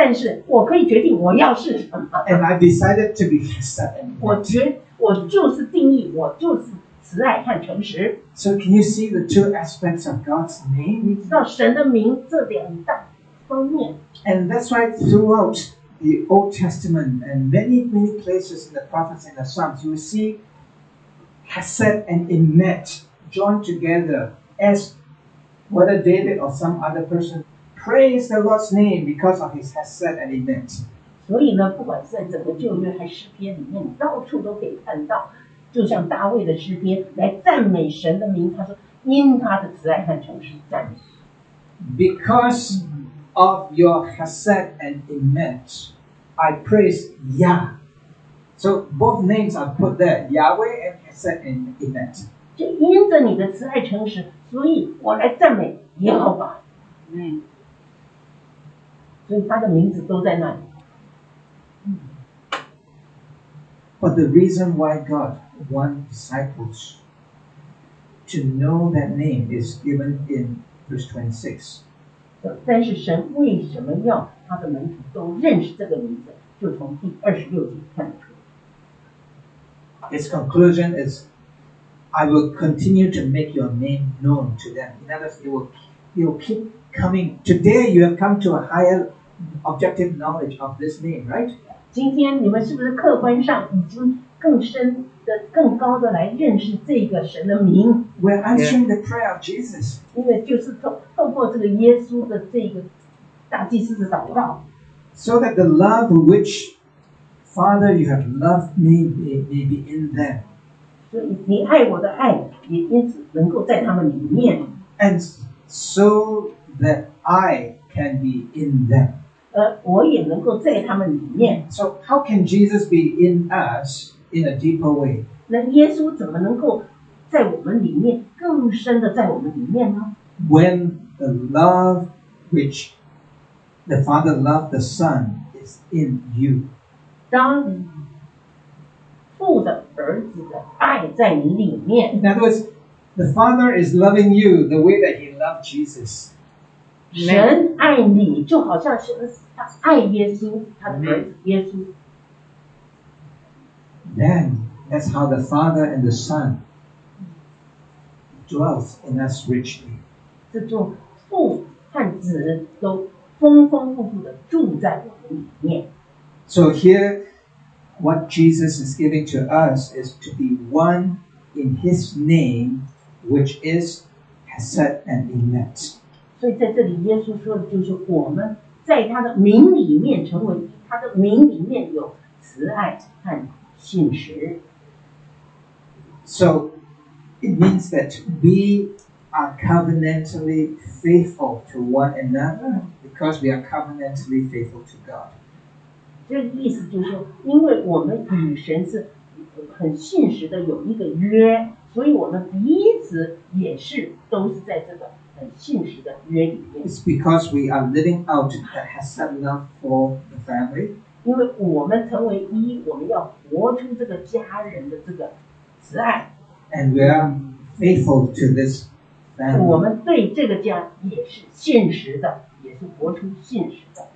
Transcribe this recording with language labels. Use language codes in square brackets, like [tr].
[zh] 就是，他是他就是，但是我可以决定我要是什么。 [en] And I decided to be chesed. [zh] 我就是定义，我就是慈爱和诚实。 [en] So can you see the two aspects of God's name? [zh] 你知道神的名这两大方面。 [en] And that's why throughout the Old Testament and many places in the prophets and the Psalms, you will see chesed and emet joined together as whether David or some other person. Praise the Lord's name because of his chesed and emet. [zh] 所以呢，不管是在整个旧约还诗篇里面，你到处都可以看到，就像大卫的诗篇来赞美神的名，他说因他的慈爱和诚实赞美。 [en] Because of your chesed and immense, I praise Yah. So both names are put there, Yahweh and chesed and immense. [zh] 就因着你的慈爱诚实，所以我来赞美耶和华。嗯。所以他的名字都在那里。 [en] But the reason why God wants disciples to know that name is given in verse 26. [zh] 但是神为什么要他的门徒都认识这个名字，就从第二十六节看得出。 [en] His conclusion is, I will continue to make your name known to them. In other words, it will keep coming. Today you have come to a higher objective knowledge of this name, right? [zh] 今天你们是不是客观上已经更深的、更高的来认识这个神的名 [en] ？We're answering the prayer of Jesus. [zh] 因为就是透过这个耶稣的这个大祭司的祷告。 [en] So that the love which Father you have loved me may be in them. [zh] 所以你爱我的爱也因此能够在他们里面。 [en] And so that I can be in them. [zh] 我也能够在他们里面。 [en] So how can Jesus be in us in a deeper way? [zh] 那耶稣怎么能够在我们里面更深的在我们里面呢？ [en] When the love which the Father loved the Son is in you. [zh] 当父的儿子的爱在你里面。 [en] In other words, the Father is loving you the way that he loved Jesus. [zh] 神爱你就好像是他爱耶稣他的儿子耶稣。 [en] Then, that's how the Father and the Son dwells in us richly. [zh] 这就父和子都丰丰富富的住在我们里面。 [en] So here, what Jesus is giving to us is to be one in his name, which is chesed and emet. [zh] 所以在这里耶稣说的就是我们在他的名里面成为他的名里面有慈爱和信实。 [en] So it means that we are covenantally faithful to one another because we are covenantally faithful to God. [zh] 这个意思就是因为我们与神是很信实的有一个约，所以我们彼此也是都是在这个 [en] It's because we are living out the chesed love for the family. [zh] 因为我们成为一，我们要活出这个家人的这个慈爱。 [en] And we are faithful to this family. [zh] 我们对这个家也是信实的，也是活出信实的。